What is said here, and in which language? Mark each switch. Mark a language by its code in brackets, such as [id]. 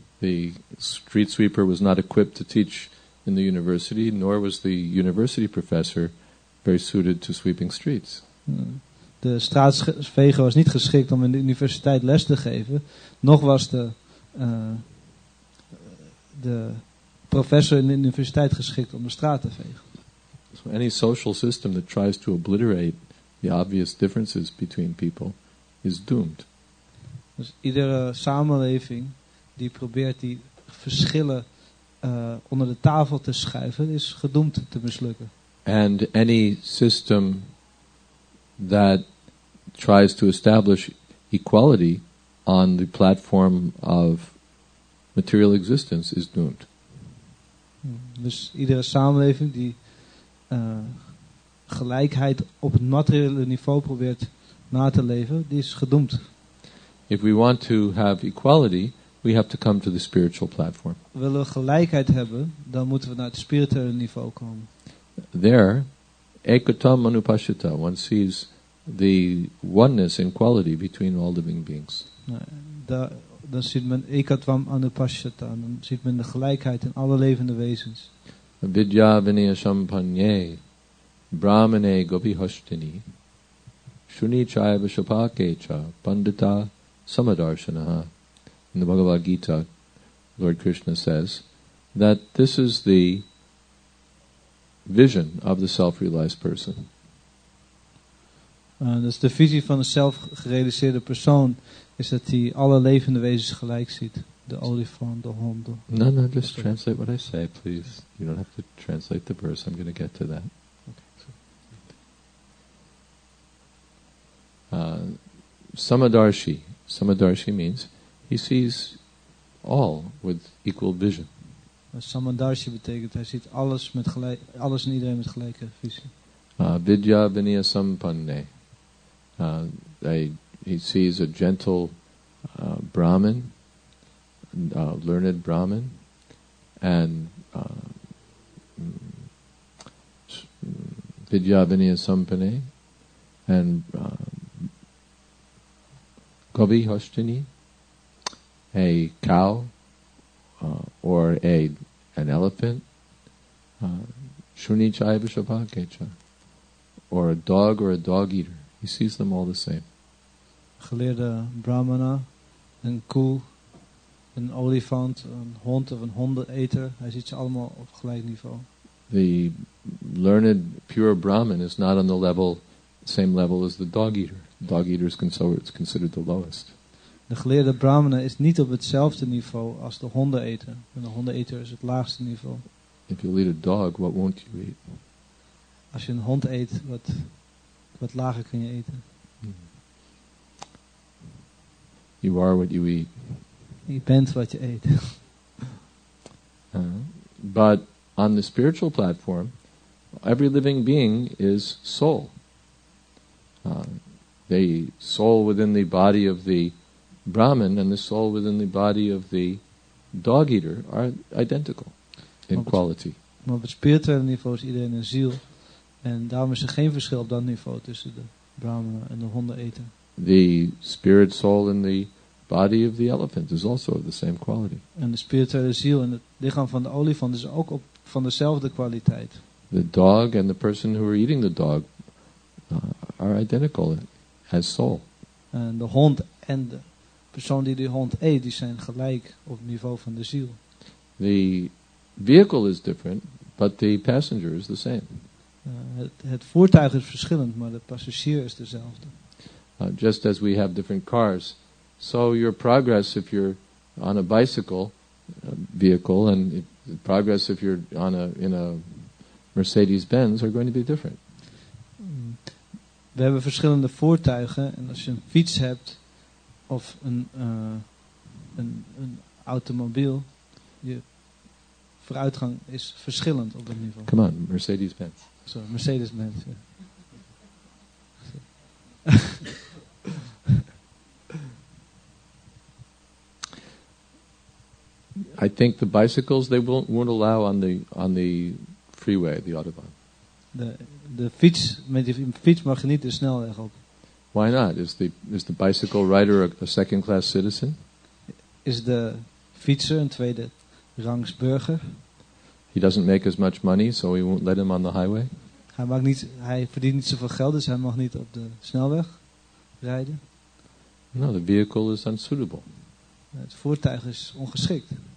[en] The street sweeper was not equipped to teach in the university, nor was the university professor very suited to sweeping streets. [nl] De straatveger was niet geschikt om in de universiteit les te geven, nog was de professor in de universiteit geschikt om de straat te vegen. [en] So any social system that tries to obliterate the obvious differences between people is doomed. [nl] Dus iedere samenleving die probeert die verschillen onder de tafel te schuiven, is gedoemd te mislukken. [en] And any system that tries to establish equality on the platform of material existence is doomed. [nl] Dus iedere samenleving die gelijkheid op het materiële niveau probeert na te leven, die is gedoemd. [en] If we want to have equality, we have to come to the spiritual platform. [nl] Willen we gelijkheid hebben, dan moeten we naar het spirituele niveau komen. [en] There, [sa] ekatam manupashita, [en] one sees the oneness in quality between all living beings. [nl] Daar, dan ziet men [sa] ekatvam anupashyata, [nl] dan ziet men de gelijkheid in alle levende wezens. [sa] Vidya vinaya sampanye brahmane gopihastini shuni chaiva shapake cha pandita samadarshanaha. [en] In the Bhagavad Gita, Lord Krishna says that this is the vision of the self-realized person. [nl] Dus de visie van een zelfgerealiseerde persoon is dat hij alle levende wezens gelijk ziet. De olifant, de hond. [en] No, no, just translate what I say, please. You don't have to translate the verse. I'm going to get to that. Samadarshi. Samadarshi means he sees all with equal vision. [nl] Samadarshi betekent hij ziet alles met gelijk, alles en iedereen met gelijke visie. [sa] Vidya vinaya sampanne. [en] He sees a gentle Brahmin, a learned Brahmin, and [sa] Vidya Vinaya Sampane, [en] and [sa] Gobi Hoshtini, [en] a cow, or an elephant, [sa] Shuni Chaiva Shapakecha, [en] or a dog or a dog eater. He sees them all the same. [nl] Geleerde brahmana, een koe, een olifant, een hond of een hondeneter. Hij ziet ze allemaal op gelijk niveau. [en] The learned, pure brahman is not on the level, same level as the dog eater. Dog eater is considered the lowest. [nl] De geleerde brahmana is niet op hetzelfde niveau als de hondeneter. En de hondeneter is het laagste niveau. [en] If you eat a dog, what won't you eat? [nl] Als je een hond eet, wat lager kun je eten? [en] You are what you eat. [nl] Je bent wat je eet. [en] But on the spiritual platform, every living being is soul. The soul within the body of the Brahman and the soul within the body of the dog eater are identical in quality. [nl] Maar op het spirituele niveau is iedereen een ziel. En daarom is er geen verschil op dat niveau tussen de Brahman en de hondeneter. [en] The spirit soul in the body of the elephant is also of the same quality. [nl] En de spirituele ziel in het lichaam van de olifant is ook op van dezelfde kwaliteit. [en] The dog and the person who are eating the dog are identical as soul. [nl] En de hond en de persoon die hond eet, die zijn gelijk op het niveau van de ziel. [en] The vehicle is different, but the passenger is the same. [nl] Het voertuig is verschillend, maar de passagier is dezelfde. [en] Just as we have different cars, so your progress if you're on a bicycle vehicle and progress if you're on in a Mercedes-Benz are going to be different. [nl] We hebben verschillende voertuigen en als je een fiets hebt of een automobiel, je vooruitgang is verschillend op dat niveau. [en] Come on, Mercedes-Benz. Sorry, Mercedes-Benz. Yeah. I think the bicycles they won't allow on the freeway, the autobahn. [nl] The fiets, met die fiets mag je niet de snelweg op. [en] Why not? Is the bicycle rider a second class citizen? [nl] Is de fietser een tweede rangs burger? [en] He doesn't make as much money, so we won't let him on the highway. [nl] Hij verdient niet zoveel geld, dus hij mag niet op de snelweg rijden. [en] No, the vehicle is unsuitable. [nl] Het voertuig is ongeschikt.